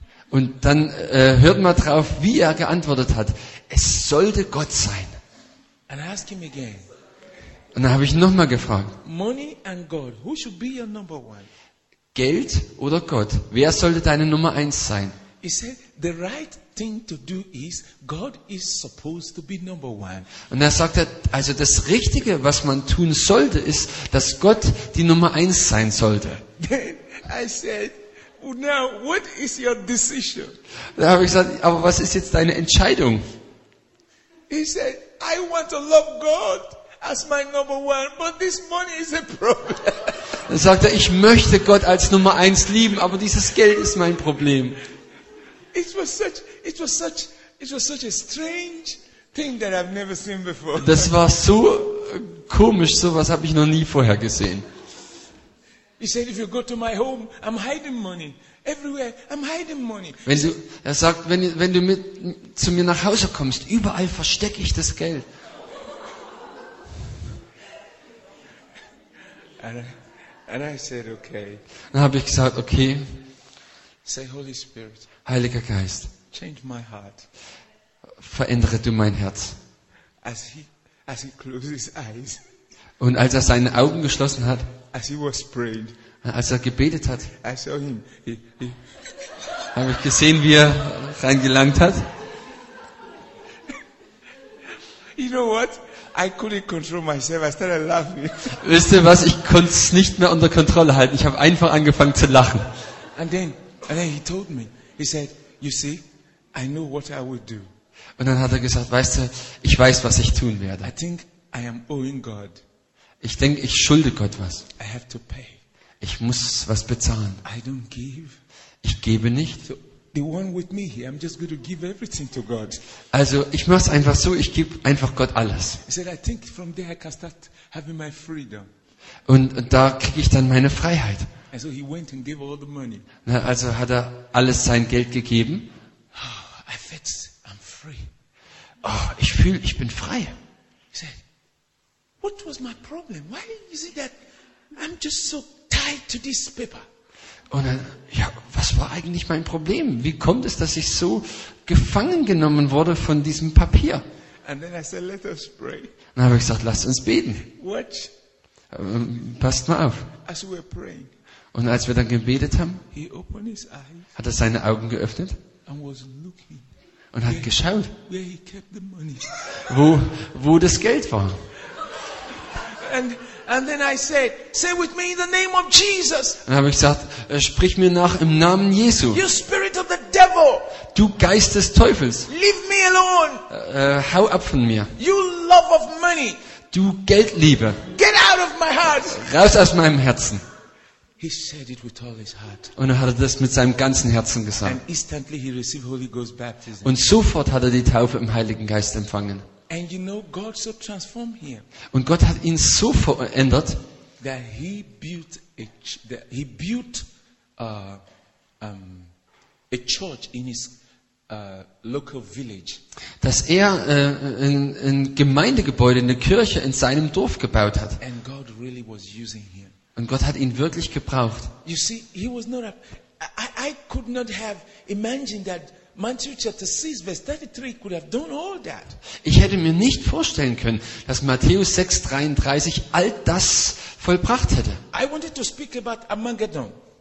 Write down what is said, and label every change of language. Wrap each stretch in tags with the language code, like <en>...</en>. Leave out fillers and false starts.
<de>Und dann hört mal drauf, wie er geantwortet hat. Es sollte Gott sein.</de> <en>And I ask him again.</en> <de>Und dann habe ich nochmal gefragt.</de> <en>Money and God, who should be your number one?</en> <de>Geld oder Gott? Wer sollte deine Nummer eins sein?</de> <en>He said, the right thing to do is God is supposed to be number one.</en> <de>Und er sagt, also das Richtige, was man tun sollte, ist, dass Gott die Nummer eins sein sollte.</de> <en>Then I said, now what is your decision?</en> <de>Da habe ich gesagt, aber was ist jetzt deine Entscheidung?</de> <en>He said, I want to love God as my number one, but this money is a problem.</en> <de>Dann sagt er, ich möchte Gott als Nummer eins lieben, aber dieses Geld ist mein Problem.</de> <en>It was such a strange thing that I've never seen before.</en> <de>Das war so komisch, sowas habe ich noch nie vorher gesehen.</de> <en>He said, if you go to my home, I'm hiding money. Everywhere, I'm hiding money.</en> <de>Wenn du mit zu mir nach Hause kommst, überall verstecke ich das Geld.</de> <en>And I said, okay.</en> <de>Dann habe ich gesagt, okay.</de> <en>Say, Holy Spirit.</en> <de>Heiliger Geist.</de> <en>Change my heart.</en> <de>Verändere du mein Herz.</de> <en>As he closed his eyes.</en> <de>Und als er seine Augen geschlossen hat.</de> <en>As he was praying.</en> <de>Als er gebetet hat.</de> <en>I saw him.</en> <de>Habe ich gesehen, wie er reingelangt hat.</de> <en>You know what? I couldn't control myself. I started laughing.</en> <de>Wisst ihr was? Ich konnte es nicht mehr unter Kontrolle halten. Ich habe einfach angefangen zu lachen.</de> <en>And then he told me. He said, "You see, I know what I will do."</en> <de>Und dann hat er gesagt, weißt du, ich weiß, was ich tun werde.</de> <en>I think I am owing God.</en> <de>Ich denke, ich schulde Gott was.</de> <en>I have to pay.</en> <de>Ich muss was bezahlen.</de> <en>I don't give.</en> <de>Ich gebe nicht.</de> <en>So, the one with me here, I'm just going to give everything to God.</en> <de>Also, ich mach's einfach so, ich gebe einfach Gott alles.</de> <en>He said, "I think from there I can start having my freedom."</en> <de>Und da kriege ich dann meine Freiheit.</de> <en>And so he went and gave all the money.</en> <de>Na, also hat er alles sein Geld gegeben.</de> <en>Oh, I felt I'm free.</en> <de>Oh, ich fühle, ich bin frei.</de> <en>He said, "What was my problem? Why is it that I'm just so tied to this paper?"</en> <de>Und dann, ja, was war eigentlich mein Problem? Wie kommt es, dass ich so gefangen genommen wurde von diesem Papier?</de> <en>And then I said, "Let us pray."</en> <de>Dann habe ich gesagt, lasst uns beten.</de> <en>Watch.</en> <de>Passt mal auf.</de> <en>As we were praying.</en> <de>Und als wir dann gebetet haben,</de> <en>he opened his eyes,</en> <de>hat er seine Augen geöffnet</de> <en>and was looking,</en> <de>und hat geschaut,</de> <en>where he kept the money.</en> <de>Wo das Geld war.</de> <en>And then I said, say with me in the name of Jesus.</en> <de>Dann habe ich gesagt, sprich mir nach im Namen Jesu.</de> <en>You spirit of the devil.</en> <de>Du Geist des Teufels.</de> <en>Leave me alone.</en> <de>Hau ab von mir.</de> <en>You love of money.</en> <de>Du Geldliebe.</de> <en>Get out of my heart.</en> <de>Raus aus meinem Herzen.</de> <en>He said it with all his heart.</en> <de>Und er hatte das mit seinem ganzen Herzen gesagt.</de> <en>And instantly he received Holy Ghost baptism.</en> <de>Und sofort hat er die Taufe im Heiligen Geist empfangen.</de> <en>And you know, God so transformed him.</en> <de>Und Gott hat ihn so verändert,</de> <en>that he built a church in his local village.</en> <de>Dass er ein Gemeindegebäude, eine Kirche in seinem Dorf gebaut hat.</de> <en>And God really was using him.</en> <de>Und Gott hat ihn wirklich gebraucht.</de> <en>You see, he was not. I could not have imagined that. Matthew chapter 6 verse 33 could have done all that.</en> <de>Ich hätte mir nicht vorstellen können, dass Matthäus 6:33 all das vollbracht hätte.</de> <en>I wanted to speak about Armageddon.</en>